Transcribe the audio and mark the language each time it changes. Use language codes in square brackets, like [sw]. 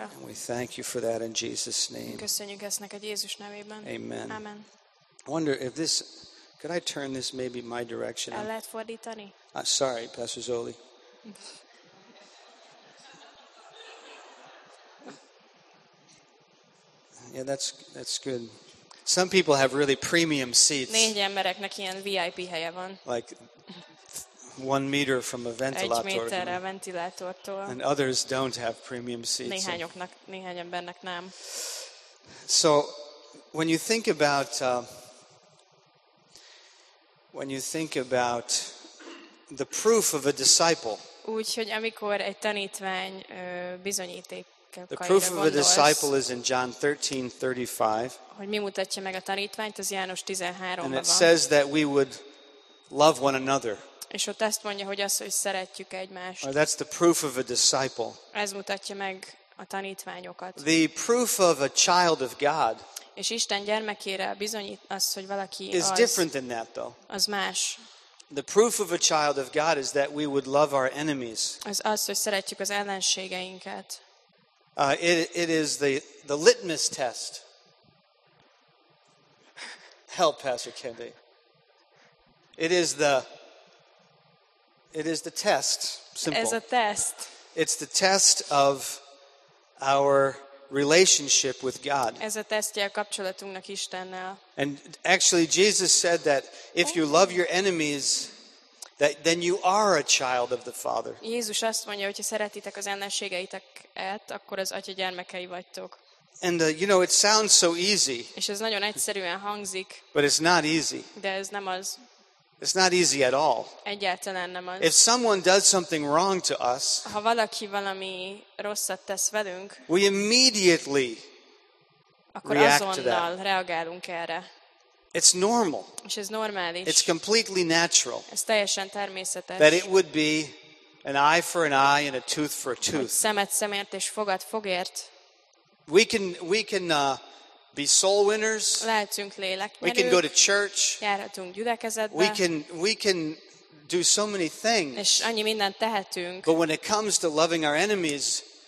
[en] And we thank you for that in Jesus' name. [hu] Köszönjük ezt neked Jézus nevében. [en] Amen. [hu] Amen. [en] I wonder if this, could I turn this maybe my direction? [hu] El lehet fordítani? [en] Sorry, Pastor Zoli. Yeah, that's good. Some people have really premium seats. [hu] Négy embereknek ilyen VIP helye van. [en] Like 1 meter from a ventilator. [hu] Egy méterre a ventilátortól. [en] And others don't have premium seats. [hu] Néhányoknak, néhány embernek nem. [en] So, when you think about the proof of a disciple. [hu] Úgyhogy amikor egy tanítvány bizonyíték. [en] The proof of a disciple is in John 13:35. [hu] Hogy mi mutatja meg a tanítványt, az János 13-ban. [en] And it says that we would love one another. [hu] És ott azt mondja, hogy azt, hogy szeretjük egymást. [en] Or that's the proof of a disciple. [hu] Ez mutatja meg a tanítványokat. [en] The proof of a child of God. [hu] És Isten gyermekére bizonyít az, hogy valaki az. [en] Is different than that, though. [hu] Az más. [en] The proof of a child of God is that we would love our enemies. [hu] Az az, hogy szeretjük az ellenségeinket. [en] It is the litmus test. Help, Pastor Kendi. It is the test. Simple. [hu] Ez a test. [en] It's the test of our relationship with God. [hu] Ez a tesztje a kapcsolatunknak Istennel. [en] And actually, Jesus said that if you love your enemies, that then you are a child of the Father. [hu] Jézus azt mondja, hogy ha szeretitek az ellenségeiteket, akkor az Atya gyermekei vagytok. [en] And you know, it sounds so easy. [hu] És ez nagyon egyszerűen hangzik. [en] But it's not easy. [hu] De ez nem az. [en] It's not easy at all. [hu] Egyáltalán nem az. [en] If someone does something wrong to us, [hu] ha valaki valami rosszat tesz velünk, [en] we immediately [hu] akkor [en] react [hu] azonnal [en] to that. [hu] Reagálunk erre. [en] It's normal. [hu] És ez normális. [en] It's completely natural. [hu] Ez teljesen természetes. [en] That it would be an eye for an eye and a tooth for a tooth. [hu] Hogy szemet szemért és fogat fogért. [en] We can be soul winners. [hu] Lehetünk léleknyerők. [en] We can go to church. [hu] Járhatunk gyülekezetbe. [en] We can do so many things. [hu] És annyi mindent tehetünk. [en] But when it comes to loving our enemies,